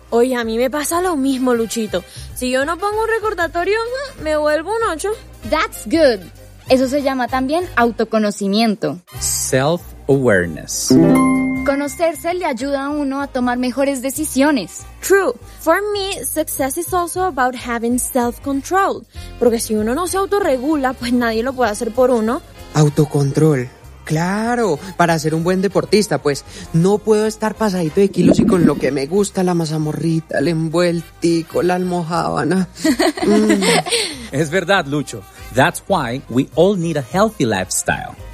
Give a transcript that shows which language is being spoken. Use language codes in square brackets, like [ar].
[es] Oye, a mí me pasa lo mismo, Luchito. Si yo no pongo un recordatorio, me vuelvo un 8. [en] That's good. [es] Eso se llama también autoconocimiento. [en] Self-awareness. [es] Conocerse le ayuda a uno a tomar mejores decisiones. [en] True. For me, success is also about having self-control. [es] Porque si uno no se autorregula, pues nadie lo puede hacer por uno. Autocontrol. Claro, para ser un buen deportista, pues no puedo estar pasadito de kilos y con lo que me gusta, la mazamorrita, el envueltico, la almojábana. Es verdad, Lucho. [en] That's why we all need a healthy lifestyle.